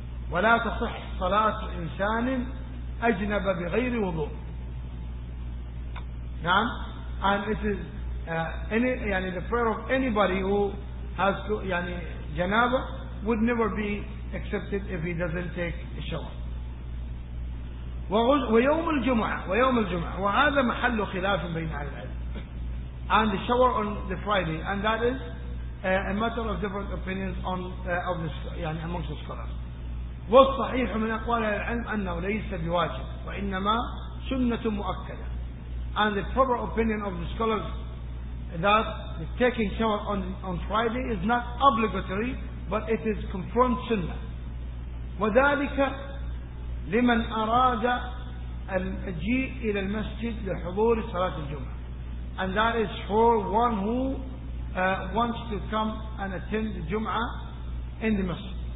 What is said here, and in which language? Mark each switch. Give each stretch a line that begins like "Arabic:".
Arabic: ولا تصح صلاة إنسان أجنب بغير وضوء. نعم.
English: And it is any, يعني the prayer of anybody who has to, يعني جنابة would never be accepted if he doesn't take a shower.
Arabic: ويوم الجمعة, ويوم الجمعة, وهذا محل خلاف بين أهل العلم.
English: And the shower on the Friday, and that is a matter of different opinions on of this, يعني amongst the scholars.
Arabic: والصحيح من أقوال العلم أنه ليس بواجب وإنما سنة مؤكدة.
English: And the proper opinion of the scholars that the taking shower on Friday is not obligatory, but it is confirmed sunnah.
Arabic: وذلك لمن أراد المجيء إلى المسجد لحضور صلاة الجمعة.
English: And that is for one who wants to come and attend the Jum'ah in the Masjid.